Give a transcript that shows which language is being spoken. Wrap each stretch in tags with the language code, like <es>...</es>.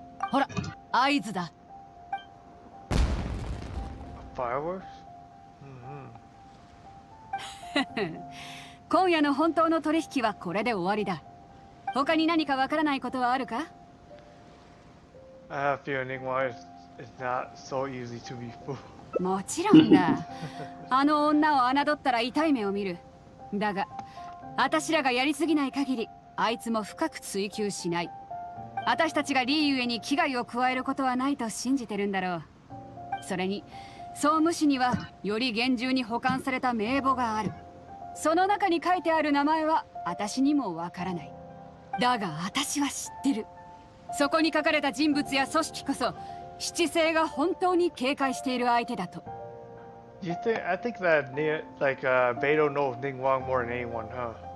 <ja>ほら、合図だ。</ja> <en>Fireworks?</en> <ja>今夜の本当の取引はこれで終わりだ。他に何かわからないことはあるか？</ja> <en>I have a feeling why it's not so easy to be fooled.</en> <ja>もちろんだ。あの女を侮ったら痛い目を見る。だが、私らがやりすぎない限り、あいつも深く追及しない。私たちがリーウェに危害を加えることはないと信じてるんだろう。それに総務省にはより厳重に保管された名簿がある。その中に書いてある名前は私にもわからない。だが私は知ってる。そこに書かれた人物や組織こそ七星が本当に警戒している相手だと。</ja> <en>I think that Beto knows Ning Wang more than anyone, huh?</en>